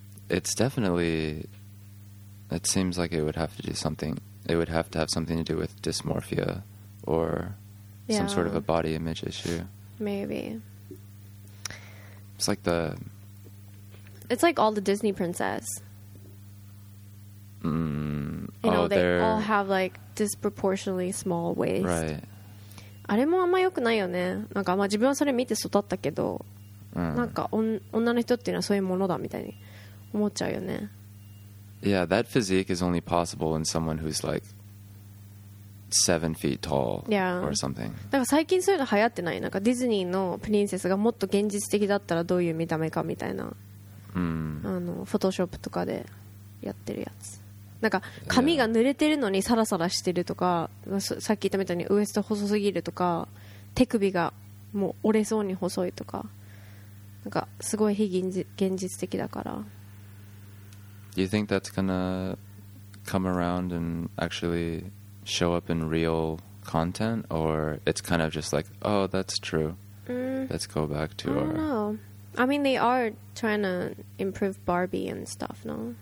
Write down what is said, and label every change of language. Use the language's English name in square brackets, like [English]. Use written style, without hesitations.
[English] It's definitely it seems like it would have to do something it would have to have something to do with dysmorphia orsome sort of a body image issue. Maybe. It's like the... It's like all the Disney princess. You know, they all have like disproportionately small waist. Right. [Japanese] あれもあんま良くないよね。なんかまあ自分はそれ見て育ったけど、なんか女の人っていうのはそういうものだみたいに思っちゃうよね。 [English] Yeah, that physique is only possible in someone who's like 7 feet tall or something. [Japanese] だから最近そういうの流行ってない。なんかディズニーのプリンセスがもっと現実的だったらどういう見た目かみたいな。あのフォトショップとかでやってるやつ。なんか髪が濡れてるのにサラサラしてるとか、さっき言ったみたいにウエスト細すぎるとか、手首がもう折れそうに細いとか、なんかすごい非現実的だから。 [English] Do you think that's gonna come around and actually show up in real content, or it's kind of just like, oh, that's true. Let's go back to our... I don't know. I mean, they are trying to improve Barbie and stuff, no?